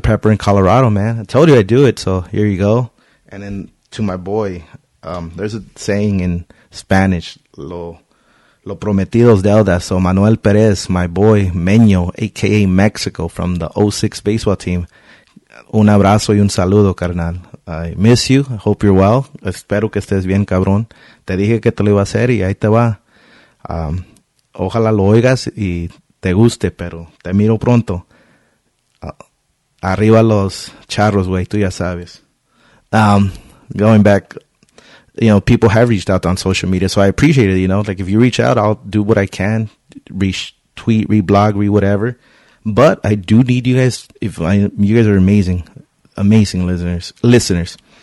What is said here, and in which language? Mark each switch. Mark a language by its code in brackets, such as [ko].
[en] Pepper in Colorado, man. I told you I'd do it, so here you go. And then to my boy, there's a saying in Spanish, [es] lo prometido es deuda. [en] So Manuel Perez, my boy, Meño, a.k.a. Mexico, from the 06 baseball team. [es] Un abrazo y un saludo, carnal. [en] I miss you. I hope you're well. [es] Espero que estés bien, cabrón. Te dije que te lo iba a hacer y ahí te va. Ojalá lo oigas y... te guste, pero te miro pronto. Arriba los charros, güey. Tú ya sabes. [en] Going back, you know, people have reached out on social media, so I appreciate it, you know. Like, if you reach out, I'll do what I can. Retweet, reblog, re-whatever. But I do need you guys. You guys are amazing. Amazing listeners.